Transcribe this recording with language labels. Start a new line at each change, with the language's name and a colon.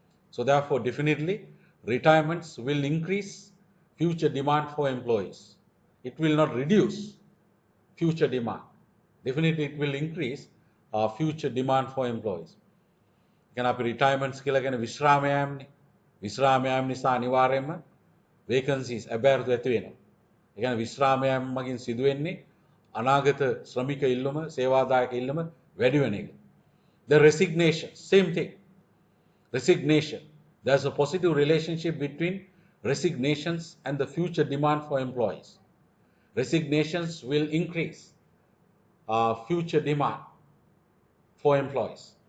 English: So therefore, definitely, retirements will increase future demand for employees. It will not reduce future demand. Definitely, it will increase future demand for employees.
Sinhala: එකන අපි රිටයර්මන්ට්ස් කියලා කියන්නේ විශ්‍රාමයම් නිසා අනිවාර්යයෙන්ම වේකන්සීස් අබෑරතු ඇති වෙනවා. ඒ කියන්නේ විශ්‍රාමයම් මගින් සිදු වෙන්නේ අනාගත ශ්‍රමික ඉල්ලුම, සේවාදායක ඉල්ලුම වැඩි වෙන එක.
English: The resignation, same thing. Resignation. There's a positive relationship between resignations and the future demand for employees. Resignations will increase future demand for employees.